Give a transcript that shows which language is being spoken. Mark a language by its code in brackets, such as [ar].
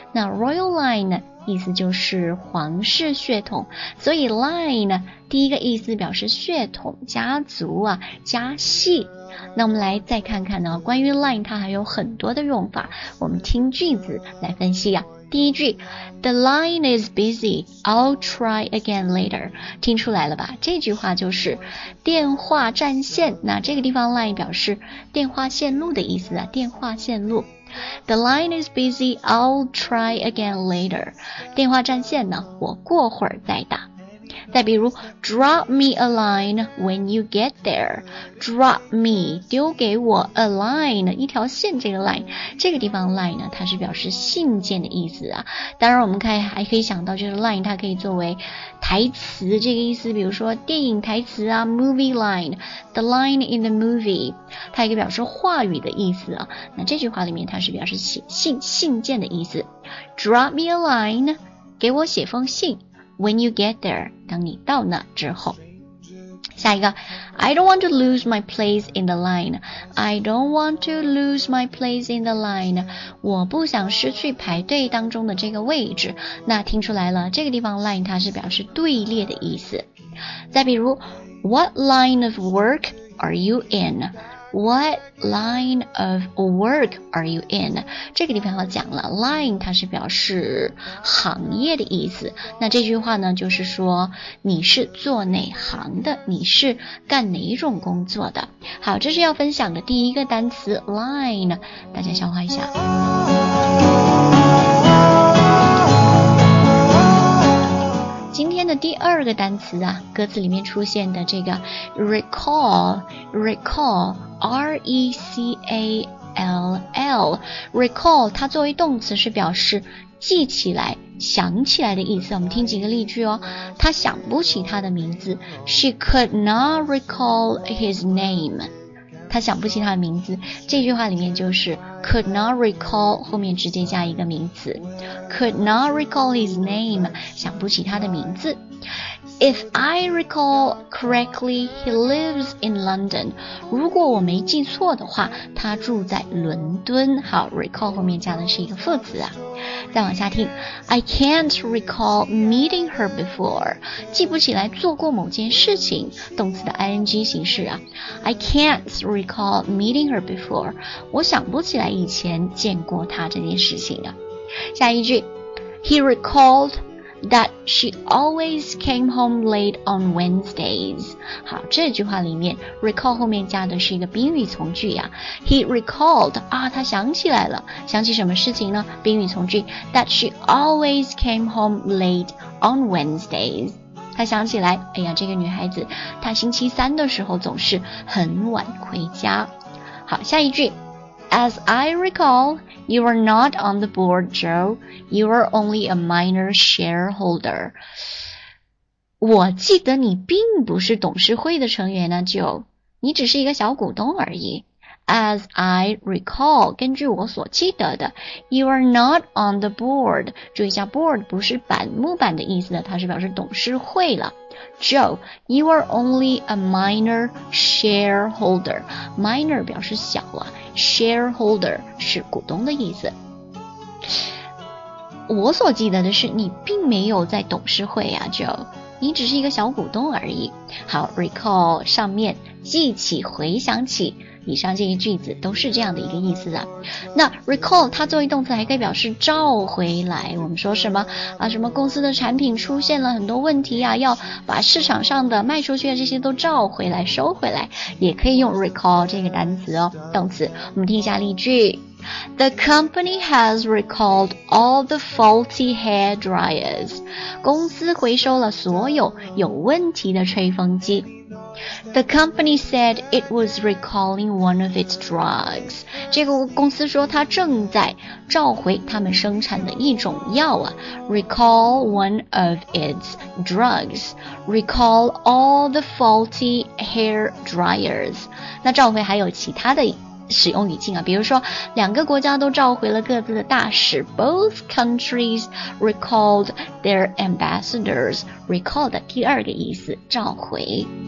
[zh] 那 royal line 呢，意思就是皇室血统，所以 line 呢，第一个意思表示血统、家族啊、家系。那我们来再看看呢，关于 line 它还有很多的用法，我们听句子来分析啊。第一句 [en] ，The line is busy. I'll try again later. [zh] 听出来了吧？这句话就是电话占线。那这个地方 line 表示电话线路的意思啊，电话线路。 [en] The line is busy, I'll try again later. [zh] 电话占线呢，我过会儿再打。再比如 [en] drop me a line when you get there. Drop me, [zh] 丢给我 [en] a line, [zh] 一条线，这个 line, 这个地方 line 呢，它是表示信件的意思啊。当然我们看还可以想到，就是 line 它可以作为台词这个意思，比如说电影台词啊， [en] movie line, the line in the movie, [zh] 它也可以表示话语的意思啊。那这句话里面它是表示信件的意思。 [en] Drop me a line, [zh] 给我写封信。 [en] When you get there, [zh] 当你到那之后。下一个 [en] I don't want to lose my place in the line. I don't want to lose my place in the line. [zh] 我不想失去排队当中的这个位置。那听出来了，这个地方 line 它是表示队列的意思。再比如 [en] What line of work are you in? What line of work are you in? [zh] 这个地方要讲了， line 它是表示行业的意思。那这句话呢，就是说你是做哪行的，你是干哪种工作的。好，这是要分享的第一个单词 line, 大家消化一下。今天的第二个单词啊，歌词里面出现的这个 recall, R-E-C-A-L-L, recall, 它作为动词是表示记起来、想起来的意思。我们听几个例句哦。他想不起他的名字， [en] She could not recall his name. [zh] 他想不起他的名字，这句话里面就是 could not recall, 后面直接加一个名词。 [en] Could not recall his name, [zh] 想不起他的名字。 [en] If I recall correctly, he lives in London. [zh] 如果我没记错的话，他住在伦敦。好， recall 后面加的是一个副词啊。再往下听， [en] I can't recall meeting her before. [zh] 记不起来做过某件事情，动词的 ing 形式啊。 [en] I can't recall meeting her before. [zh] 我想不起来以前见过她这件事情啊。下一句 [en] He recalledThat she always came home late on Wednesdays. [zh] 好，这句话里面 recall 后面加的是一个宾语从句呀。 [en] He recalled, [zh] 啊，他想起来了，想起什么事情呢？宾语从句 [en] That she always came home late on Wednesdays. [zh] 他想起来，哎呀，这个女孩子，她星期三的时候总是很晚回家。好，下一句 [en] As I recall, you are not on the board, Joe. You are only a minor shareholder. [zh] 我记得你并不是董事会的成员啊， Joe. 你只是一个小股东而已。 [en] As I recall, [zh] 根据我所记得的 [en] ,you are not on the board. [zh] 注意一下 board 不是板木板的意思的，它是表示董事会了。 [en] Joe, you are only a minor shareholder. [zh] Minor 表示小啊， shareholder 是股东的意思。我所记得的是你并没有在董事会啊， Joe。你只是一个小股东而已。好， recall 上面记起、回想起，以上这些句子都是这样的一个意思啊。那 recall 它作为动词还可以表示召回来，我们说什么啊，什么公司的产品出现了很多问题啊，要把市场上的卖出去的这些都召回来、收回来，也可以用 recall 这个单词哦，动词。我们听一下例句。 [en] The company has recalled all the faulty hair dryers. [zh] 公司回收了所有有问题的吹风机。 [en] The company said it was recalling one of its drugs. [zh] 这个公司说它正在召回他们生产的一种药啊。 [en] Recall one of its drugs. Recall all the faulty hair dryers. [zh] 那召回还有其他的使用语境啊，比如说两个国家都召回了各自的大使 [en] Both countries recalled their ambassadors. [zh] Recall 的第二个意思，召回。